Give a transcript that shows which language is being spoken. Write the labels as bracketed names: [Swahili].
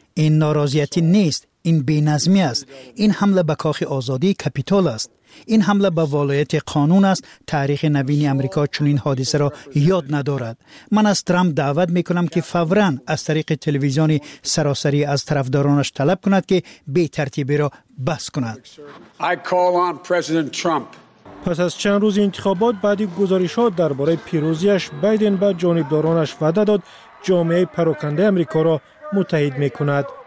[Persian] این ناراضیتی نیست، این بی‌نظمی است. این حمله به کاخ آزادی کپیتال است. این حمله به ولایت قانون است. تاریخ نوین آمریکا چنین حادثه را یاد ندارد. من از ترامپ دعوت میکنم که فوراً از طریق تلویزیون سراسری از طرفدارانش طلب کند که بی ترتیبی را بس کند. [English] I call on President Trump. [Persian] پس از چند روز انتخابات، بعد گزارش‌ها درباره پیروزیش، بایدن به جانبدارانش وعده داد جامعه پراکنده آمریکا را متحد میکند.